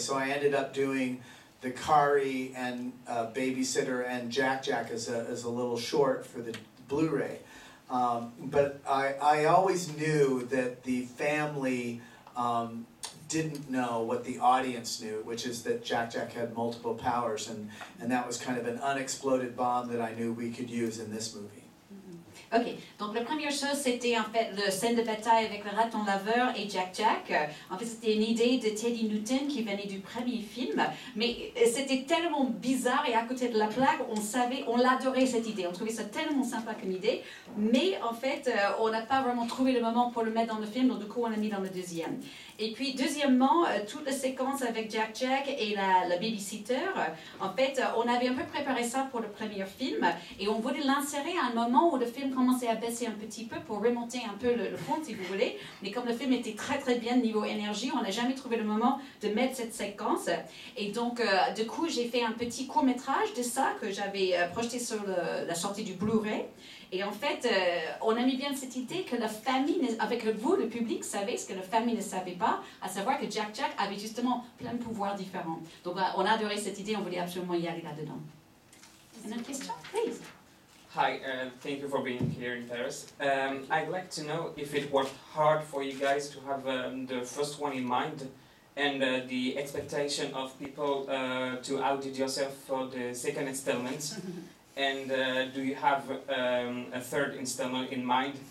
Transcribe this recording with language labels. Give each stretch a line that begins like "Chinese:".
English: So I ended up doing the Kari and babysitter and Jack-Jack as a little short for the Blu-ray. But I always knew that the family didn't know what the audience knew, which is that Jack-Jack had multiple powers, and that was kind of an unexploded bomb that I knew we could use in this movie.
French: Ok, donc la première chose, c'était en fait la scène de bataille avec le raton laveur et Jack-Jack. En fait, c'était une idée de Teddy Newton qui venait du premier film, mais c'était tellement bizarre et à côté de la plaque, on savait, on l'adorait cette idée, on trouvait ça tellement sympa comme idée, mais en fait, on n'a pas vraiment trouvé le moment pour le mettre dans le film, donc du coup, on l'a mis dans le deuxième. Et puis, deuxièmement, toute la séquence avec Jack-Jack et la babysitter, en fait, on avait un peu préparé ça pour le premier film et on voulait l'insérer à un moment où le film commençait à baisser un petit peu pour remonter un peu le fond, si vous voulez. Mais comme le film était très, très bien niveau énergie, on n'a jamais trouvé le moment de mettre cette séquence. Et donc, du coup, j'ai fait un petit court-métrage de ça que j'avais projeté sur la sortie du Blu-ray. Et en fait, on a mis bien cette idée que la famille, avec vous, le public, savait ce que la famille ne savait pas, à savoir que Jack-Jack avait justement plein de pouvoirs différents. Donc on a adoré cette idée, on voulait absolument y aller là-dedans. Une autre question, please.
English: Hi, thank you for being here in Paris. I'd like to know if it was hard for you guys to have the first one in mind and the expectation of people to outdid yourself for the second installment. And do you have a third installment in mind?